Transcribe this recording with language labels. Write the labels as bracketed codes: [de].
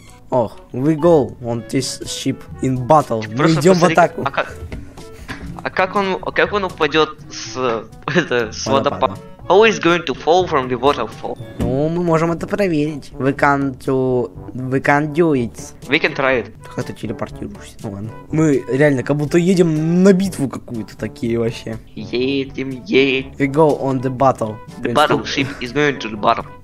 [en] Ох, we go on this ship in battle. [ru] Мы идем в атаку. А как он упадет с водопада? [en] How is going to fall from the waterfall? [ru] Ну, мы можем это проверить. [en] We can do it. We can try it. [ru] Как ты телепортируешься? Ну ладно. Мы реально как будто едем на битву какую-то такие вообще. Едем. [en] We go on the battle. The battleship is going to the battle.